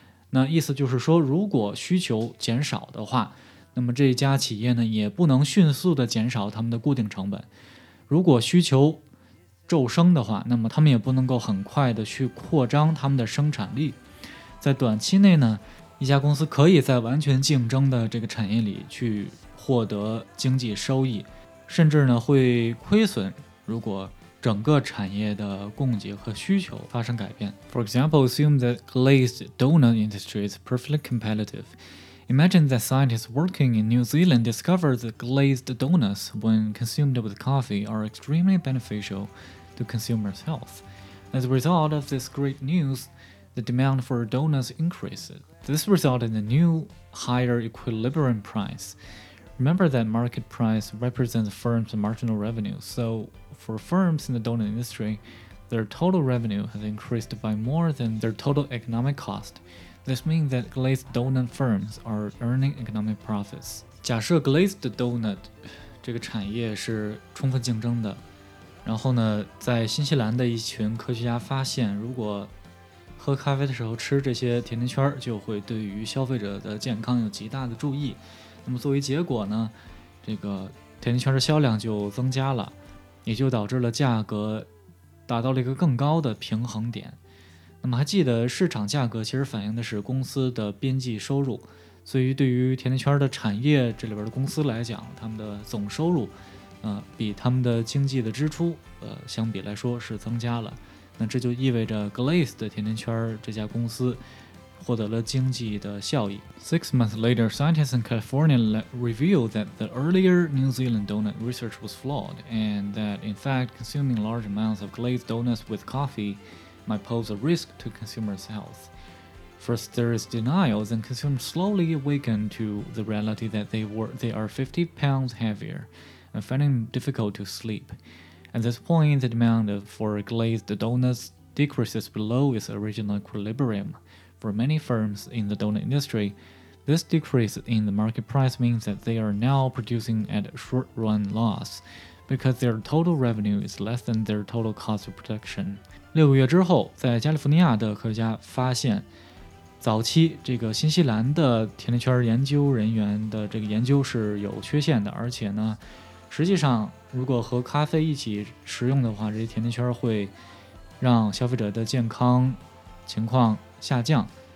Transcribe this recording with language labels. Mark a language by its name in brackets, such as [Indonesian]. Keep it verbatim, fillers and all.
[Chinese] 那意思就是说，如果需求减少的话，那么这家企业呢也不能迅速的减少他们的固定成本，如果需求骤升的话，那么他们也不能够很快的去扩张他们的生产力。在短期内呢，一家公司可以在完全竞争的这个产业里去获得经济收益，甚至呢会亏损，如果整个产业的供给和需求发生改变。 [English] For example, assume that glazed donut industry is perfectly competitive. Imagine that scientists working in New Zealand discover that glazed donuts, when consumed with coffee, are extremely beneficial to consumers' health. As a result of this great news, the demand for donuts increases. This resulted in a new, higher equilibrium price. Remember that market price represents a firm's marginal revenue, so for firms in the donut industry, their total revenue has increased by more than their total economic cost. This means that glazed donut firms are earning economic profits. [Chinese] 假设 glazed donut 这个产业是充分竞争的，然后呢，在新西兰的一群科学家发现，如果喝咖啡的时候吃这些甜甜圈，就会对于消费者的健康有极大的注意。那么作为结果呢，这个甜甜圈的销量就增加了，也就导致了价格达到了一个更高的平衡点。那么还记得市场价格其实反映的是公司的边际收入，所以对于甜甜圈的产业这里边的公司来讲，他们的总收入呃，比他们的经济的支出呃，相比来说是增加了，那这就意味着 Glazed 的甜甜圈这家公司获得了经济的效益。 [English] Six months later, scientists in California revealed that the earlier New Zealand donut research was flawed, and that in fact consuming large amounts of glazed donuts with coffee might pose a risk to consumers' health. First there is denial, then consumers slowly awaken to the reality that they, were, they are fifty pounds heavier and finding it difficult to sleep. At this point, the demand for glazed donuts decreases below its original equilibrium. For many firms in the donut industry, this decrease in the market price means that they are now producing at a short-run loss because their total revenue is less than their total cost of production. [Chinese] 六个月之后，在加利福尼亚的科学家发现，早期这个新西兰的甜甜圈研究人员的这个研究是有缺陷的，而且呢，实际上如果和咖啡一起食用的话，这些甜甜圈会让消费者的健康情况下降。